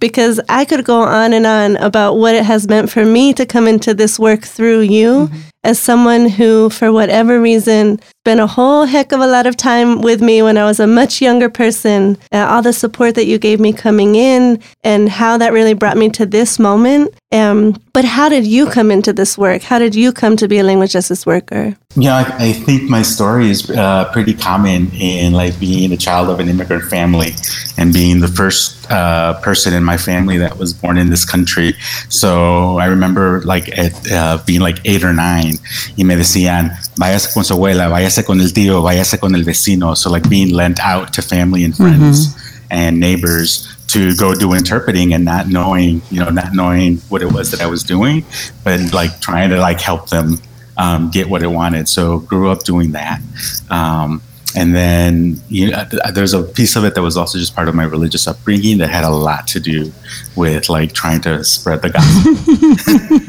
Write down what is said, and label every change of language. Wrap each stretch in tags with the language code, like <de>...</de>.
<en>Because I could go on and on about what it has meant for me to come into this work through you as someone who, for whatever reason, spent a whole heck of a lot of time with me when I was a much younger person, all the support that you gave me coming in and how that really brought me to this moment. But how did you come into this work? How did you come to be a language justice worker? Yeah, I think my story is pretty common in like being a child of an immigrant family and being the first person in my family that was born in this country. So I remember like at, being like 8 or 9</en> <es>y me decían, váyase con su abuela, váyase con el tío, váyase con el vecino.</es> <en>So like being lent out to family and friends and neighbors to go do interpreting and not knowing, you know, not knowing what it was that I was doing, but like trying to like help them get what it wanted. So grew up doing that. And then you know, there's a piece of it that was also just part of my religious upbringing that had a lot to do with like trying to spread the gospel.</en>